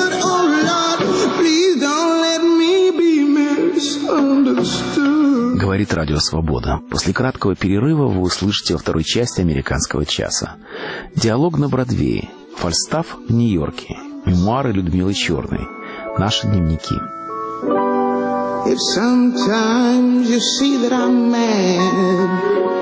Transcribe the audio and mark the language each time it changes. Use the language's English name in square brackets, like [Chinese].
[English] Oh Lord, please don't let me be misunderstood. [Russian] говорит Радио Свобода. После краткого перерыва вы услышите во второй части «Американского часа». Диалог на Бродвее, Фальстаф в Нью-Йорке, мемуары Людмилы Черной, наши дневники. [English] If sometimes you see that I'm mad.